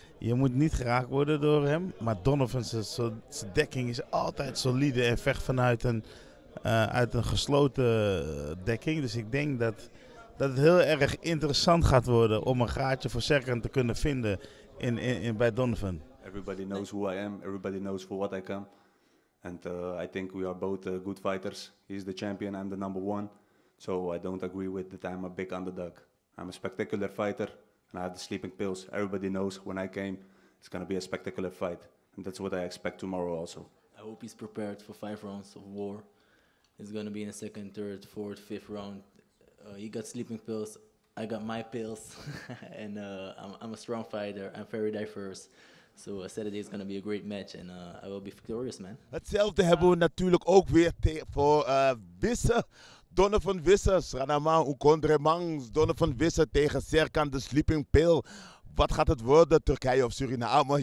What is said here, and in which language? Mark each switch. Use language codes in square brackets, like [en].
[nl] Je moet niet geraakt worden door hem, maar Donovan's zijn dekking is altijd solide en vecht vanuit een gesloten dekking. Dus ik denk dat het heel erg interessant gaat worden om een gaatje voor Serkan te kunnen vinden bij Donovan. [en] Everybody knows who I am. Everybody knows for what I come. And I think we are both good fighters. He's the champion, I'm the number one. So I don't agree with that I'm a big underdog. I'm a spectacular fighter and I have the sleeping pills. Everybody knows when I came, it's gonna be a spectacular fight. And that's what I expect tomorrow also. I hope he's prepared for 5 rounds of war. It's gonna be in the second, third, fourth, fifth round. He got sleeping pills, I got my pills. And I'm a strong fighter, I'm very diverse. So Saturday is going to be a great match and I will be victorious, man. [nl] Hetzelfde hebben we natuurlijk ook weer voor Wisse. Donovan Wisse, Sranaman Ukondremangs. Donovan Wisse tegen Serkan de Sleeping Pill. Wat gaat het worden, Turkije of Suriname?